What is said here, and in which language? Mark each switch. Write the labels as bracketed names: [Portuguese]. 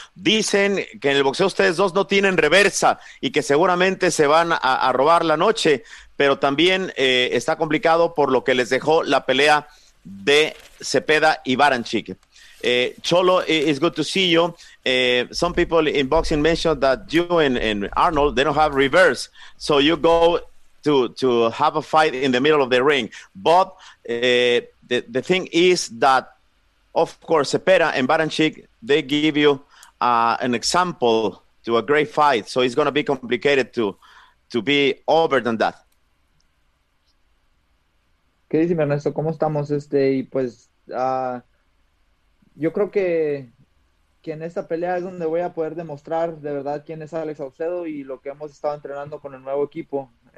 [Spanish] Dicen que en el boxeo ustedes dos no tienen reversa y que seguramente se van a robar la noche, pero también está complicado por lo que les dejó la pelea de Cepeda y Baranchik. [English] Cholo, it's good to see you. Some people in boxing mentioned that you and Arnold, they don't have reverse. So you go to have a fight in the middle of the ring. But the thing is that, of course, Cepeda and Baranchik, they give you an example to a great fight. So it's going to be complicated to be over than that. [Spanish] ¿Qué dice, Ernesto? ¿Cómo estamos? Yo creo que en esta pelea es donde voy a poder demostrar de verdad quién es Alex Saucedo y lo que hemos estado entrenando con el nuevo equipo.